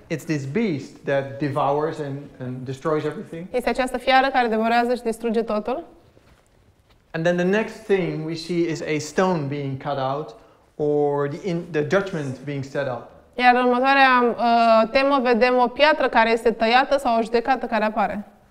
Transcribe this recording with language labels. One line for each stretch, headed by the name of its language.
English: It's this beast that devours and destroys everything.
Romanian: Este această fiară care devorează și distruge totul.
English: And then the next thing we see is a stone being cut out or the judgment being set up.
Romanian: Iar în următoarea temă vedem o piatră care este tăiată sau o judecată care apare.